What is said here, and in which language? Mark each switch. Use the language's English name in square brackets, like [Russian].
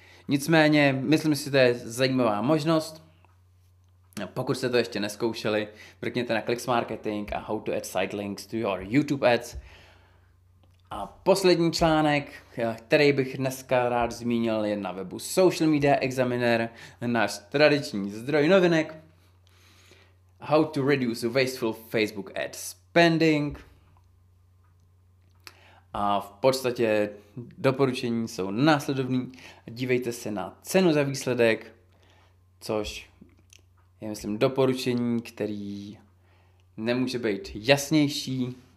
[Czech] Nicméně, myslím si, že to je zajímavá možnost. Pokud jste to ještě neskoušeli, mrkněte na Clicks Marketing a [English] How to add sidelinks to your YouTube ads. [Czech] A poslední článek, který bych dneska rád zmínil, je na webu Social Media Examiner, náš tradiční zdroj novinek. [English] How to reduce wasteful Facebook ad spending. [Czech] A v podstatě doporučení jsou následovní. Dívejte se na cenu za výsledek, což je, myslím, doporučení, který nemůže být jasnější.